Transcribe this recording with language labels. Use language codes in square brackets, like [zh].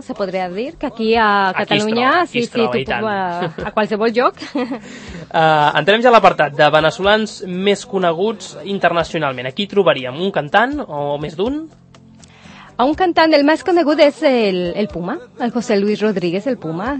[es] Se podría decir que aquí a Cataluña, [ca] a qualsevol lloc. Entrem ja a l'apartat de venezolans més coneguts internacionalment. Aquí trobaríem un cantant o més d'un? [es] A un cantante, el más conocido es el Puma, el José Luis Rodríguez, el Puma.